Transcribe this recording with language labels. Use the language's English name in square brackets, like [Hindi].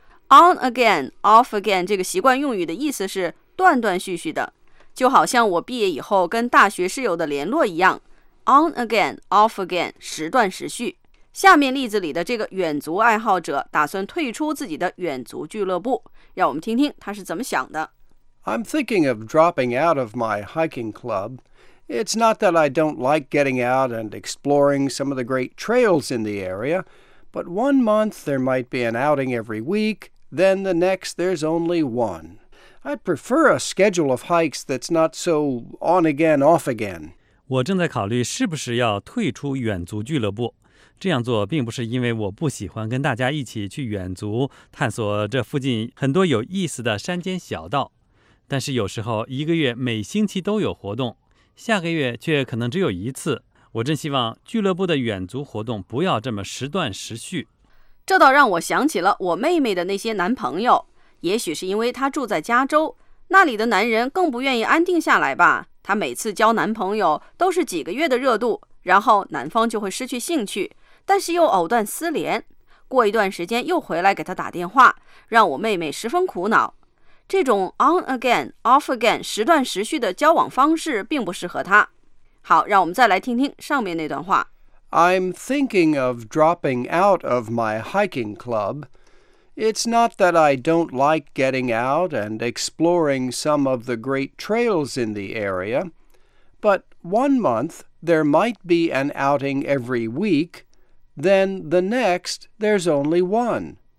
[Chinese] On again, off again 这个习惯用语的意思是断断续续的，就好像我毕业以后跟大学室友的联络一样。 On again, off again, 时断时续。下面例子里的这个远足爱好者打算退出自己的远足俱乐部，让我们听听他是怎么想的。 [English] I'm thinking of dropping out of my hiking club. It's not that I don't like getting out and exploring some of the great trails in the area. But 1 month, there might be an outing every week, then the next, there's only one. I'd prefer a schedule of hikes that's not so on again, off again. [Chinese] 我正在考虑是不是要退出远足俱乐部。这样做并不是因为我不喜欢跟大家一起去远足，探索这附近很多有意思的山间小道。但是有时候一个月每星期都有活动，下个月却可能只有一次。我真希望俱乐部的远足活动不要这么时断时续。这倒让我想起了我妹妹的那些男朋友，也许是因为她住在加州，那里的男人更不愿意安定下来吧。她每次交男朋友都是几个月的热度，然后男方就会失去兴趣，但是又藕断丝连，过一段时间又回来给她打电话，让我妹妹十分苦恼。这种 on again, off again, 时断时续的交往方式并不适合她。好，让我们再来听听上面那段话。 [English] I'm thinking of dropping out of my hiking club. It's not that I don't like getting out and exploring some of the great trails in the area, but 1 month, there might be an outing every week, then the next there's only one.